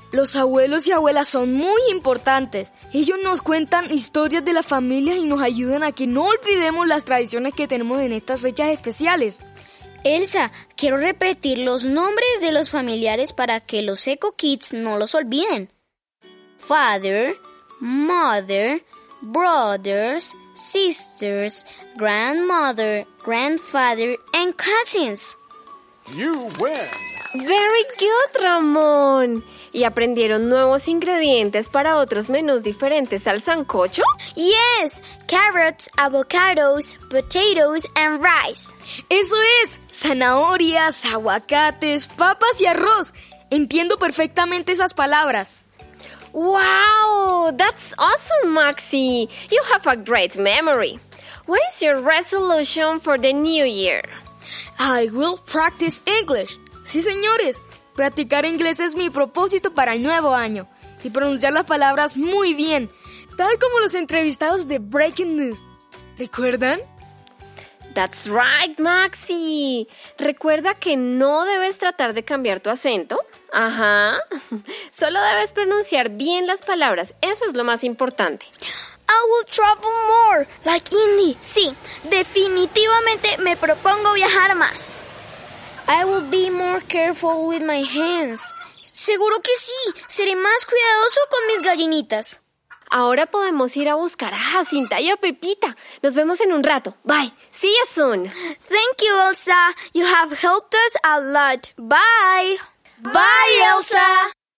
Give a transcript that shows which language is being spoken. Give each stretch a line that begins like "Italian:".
Spanish: Los abuelos y abuelas son muy importantes. Ellos nos cuentan historias de las familias y nos ayudan a que no olvidemos las tradiciones que tenemos en estas fechas especiales. Elsa, quiero repetir los nombres de los familiares para que los Echo Kids no los olviden.
English: Father, mother, brothers, sisters, grandmother, grandfather, and cousins. You win. Very good, Ramón.
Spanish: ¿Y aprendieron nuevos ingredientes para otros menús diferentes al sancocho?
English: Yes, carrots, avocados, potatoes and rice.
Spanish: ¡Eso es! Zanahorias, aguacates, papas y arroz. Entiendo perfectamente esas palabras.
English: ¡Wow! That's awesome, Maxi. You have a great memory. What is your resolution for the new year? I will practice English.
Spanish: Sí, señores. Practicar inglés es mi propósito para el nuevo año y pronunciar las palabras muy bien, tal como los entrevistados de Breaking News. ¿Recuerdan?
English: That's right, Maxi.
Spanish: Recuerda que no debes tratar de cambiar tu acento. Ajá. Solo debes pronunciar bien las palabras. Eso es lo más importante.
English: I will travel more, like Indy.
Spanish: Sí, definitivamente me propongo viajar más.
English: I will be more careful with my hens.
Spanish: Seguro que sí. Seré más cuidadoso con mis gallinitas. Ahora podemos ir a buscar a Jacinta y a Pepita. Nos vemos en un rato.
English: Bye. See you soon. Thank you, Elsa. You have helped us a lot. Bye. Bye, Elsa.